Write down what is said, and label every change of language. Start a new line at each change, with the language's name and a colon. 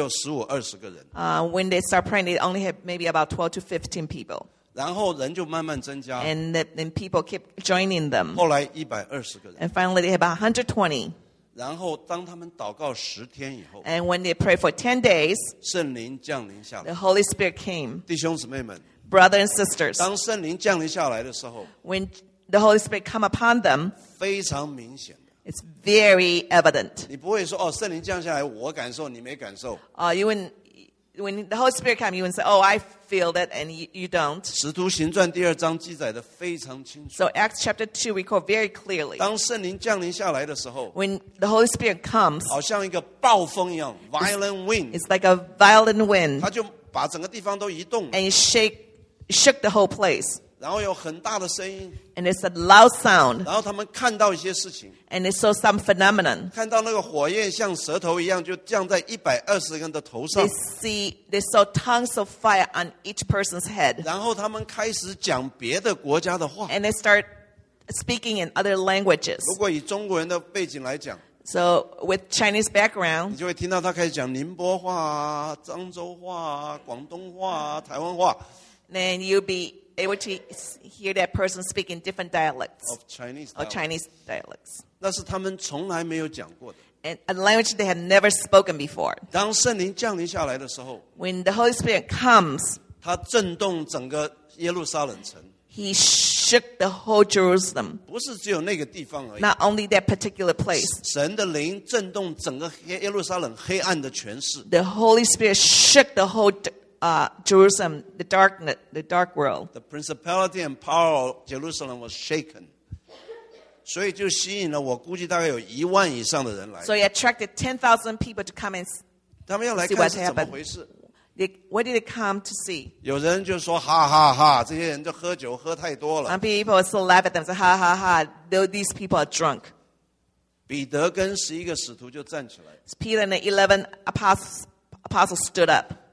English: When they start praying, they only have maybe about 12 to 15 people.
Chinese: 然后人就慢慢增加,
English: and then people keep joining them.
Chinese: 后来120个人,
English: and finally, they have about 120.
Chinese: 然后当他们祷告10天以后,
English: and when they pray for 10 days,
Chinese: 圣灵降临下来,
English: the Holy Spirit came.
Chinese: 弟兄姊妹们,
English: brothers and sisters,
Chinese: 当圣灵降临下来的时候,
English: when the Holy Spirit come upon them,
Chinese: 非常明显的,
English: it's very evident.
Chinese: 你不会说, 哦, 圣灵降下来, 我感受, 你没感受,
English: you wouldn't when the Holy Spirit comes, you wouldn't say, oh, I feel that, and you don't.
Chinese: 使徒行传第二章记载的非常清楚。
English: So Acts chapter 2 record very clearly.
Chinese: 当圣灵降临下来的时候,
English: when the Holy Spirit comes,
Chinese: 好像一个暴风一样, violent wind,
English: it's like a violent wind.
Chinese: 它就把整个地方都移动了,
English: and it shook the whole place.
Chinese: 然后有很大的声音,
English: and it's a loud sound.
Chinese: 然后他们看到一些事情,
English: and they saw some phenomenon.
Chinese: 看到那个火焰像舌头一样, 就降在120个人的头上,
English: they saw tongues of fire on each person's head.
Chinese: 然后他们开始讲别的国家的话,
English: and they start speaking in other languages.
Chinese: 如果以中国人的背景来讲,
English: so with Chinese background,
Chinese: 你就会听到他开始讲宁波话, 漳州话, 广东话, 台湾话,
English: then you'll be able to hear that person speak in different dialects. Of Chinese dialects. Or Chinese dialects.
Chinese: 那是他们从来没有讲过的。
English: And a language they had never spoken before.
Chinese: 当圣灵降临下来的时候,
English: when the Holy Spirit comes,
Chinese: 他震动整个耶路撒冷城,
English: he shook the whole Jerusalem.
Chinese: 不是只有那个地方而已,
English: not only that particular place.
Chinese: 神的灵震动整个耶路撒冷黑暗的权势,
English: the Holy Spirit shook the whole Jerusalem, the darkness, the dark world. The principality and power of Jerusalem was shaken.
Chinese: 所以就吸引了我估计大概有一万以上的人来。
English: So he attracted 10,000 people to come and see what happened. What did they come to see?
Chinese: 有人就说哈哈哈，这些人就喝酒喝太多了。
English: And people would still laugh at them, say ha ha ha, these people are drunk.
Chinese: 彼得跟十一个使徒就站起来。
English: Peter and the 11 apostles stood up.